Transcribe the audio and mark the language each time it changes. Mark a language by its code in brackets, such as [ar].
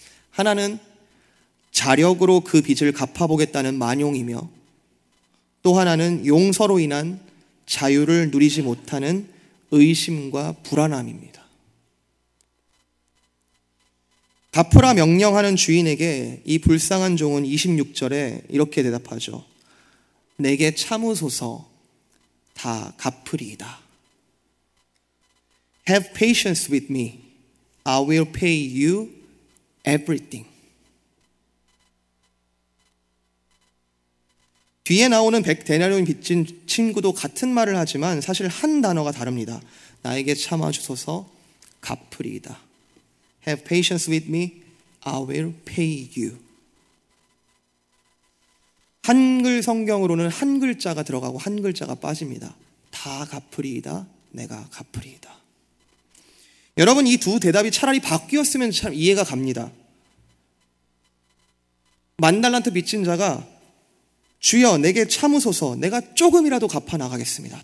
[ko] 하나는 자력으로 그 빚을 갚아보겠다는 만용이며, 또 하나는 용서로 인한 자유를 누리지 못하는 의심과 불안함입니다. 갚으라 명령하는 주인에게 이 불쌍한 종은 26절에 이렇게 대답하죠. 내게 참으소서, 다 갚으리이다. [en] Have patience with me. I will pay you everything. [ko] 뒤에 나오는 100데나리온 빚진 친구도 같은 말을 하지만 사실 한 단어가 다릅니다. 나에게 참아주소서, 갚으리이다. [en] Have patience with me, I will pay you. [ko] 한글 성경으로는 한 글자가 들어가고 한 글자가 빠집니다. 다 갚으리이다, 내가 갚으리이다. 여러분, 이 두 대답이 차라리 바뀌었으면 참 이해가 갑니다. 만 달란트 빚진 자가 주여 내게 참으소서, 내가 조금이라도 갚아나가겠습니다.